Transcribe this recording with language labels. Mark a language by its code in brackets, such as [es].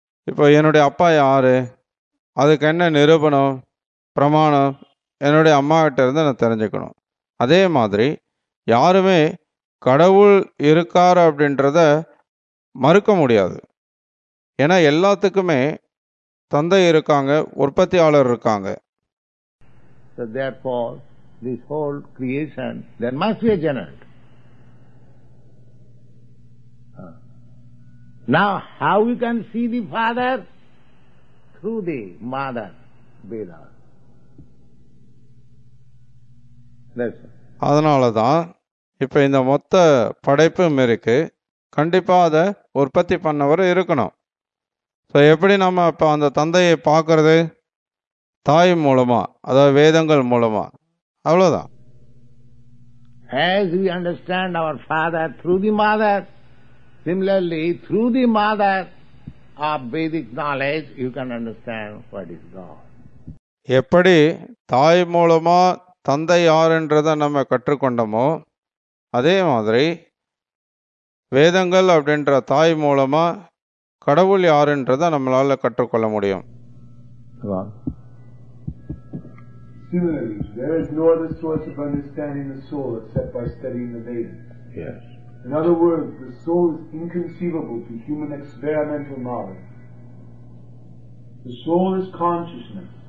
[ta] இப்போ என்னுடைய அப்பா யாரு, அதுக்கு என்ன நிரூபணம் பிரமாணம் என்னுடைய அம்மாகிட்ட இருந்து நான் தெரிஞ்சுக்கணும். அதே மாதிரி யாருமே கடவுள் இருக்கார் அப்படின்றத மறுக்க முடியாது. ஏன்னா எல்லாத்துக்குமே தந்தை இருக்காங்க, உற்பத்தியாளர் இருக்காங்க. [en] So therefore, this whole creation, there must be a generator. Now, how we can see the father? Through the mother, Veda. [ta] அதனாலதான் இப்ப இந்த மொத்த படைப்பும் இருக்கு, கண்டிப்பா அதை உற்பத்தி பண்ணவரும் இருக்கணும். ஸோ எப்படி நம்ம இப்ப அந்த தந்தையை பார்க்கறது? தாய் மூலமா, அதாவது வேதங்கள் மூலமா, அவ்வளவுதான். [en] As we understand our father through the mother, similarly through the mother of Vedic knowledge, you can understand what is God. [ta] எப்படி தாய் மூலமா தந்தை யாருன்றத நம்ம கற்றுக்கொண்டோமோ, அதே மாதிரி வேதங்கள் அப்படின்ற தாய் மூலமா கடவுள் யாருன்றத நம்மளால கற்றுக்கொள்ள முடியும். [en] Similarly, there is no other source of understanding the soul except by studying the Vedas. Yes. In other words, the soul is inconceivable to human experimental knowledge. The soul is consciousness.